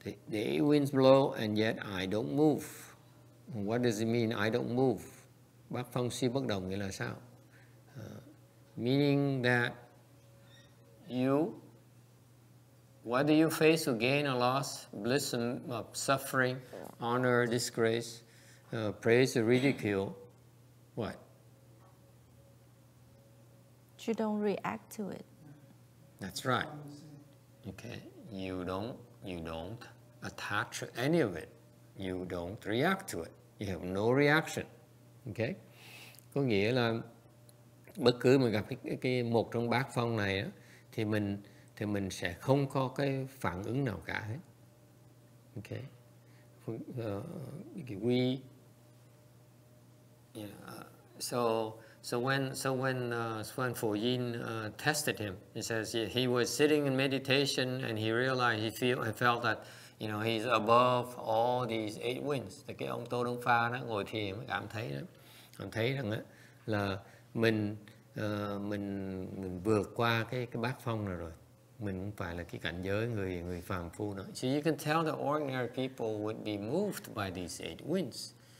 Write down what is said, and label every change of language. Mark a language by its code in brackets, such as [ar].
[en] The eight winds blow and yet I don't move. What does it mean, I don't move? [vi] Bác phong suy bất động nghĩa là sao? [en] Meaning that you, whether you face a gain or loss, bliss and suffering, honor, disgrace, praise or ridicule, what? You don't react to it. That's right. Okay. You don't attach to any of it. You don't react to it. You have no reaction. Okay. [vi] Có nghĩa là bất cứ mình gặp cái một trong bát phong này đó, thì mình sẽ không có cái phản ứng nào cả hết. [en] Okay. So when Phổ Yin tested him, he says he was sitting in meditation and he realized he felt that, you know, he's above all these eight winds. [vi] Thì cái ông Tô Đông Pha đó ngồi thiền mới cảm thấy rằng á là mình vượt qua cái bát phong này rồi. Mình không phải là cái cảnh giới người phàm phu nữa. [en] So you can tell that ordinary people would be moved by these eight winds.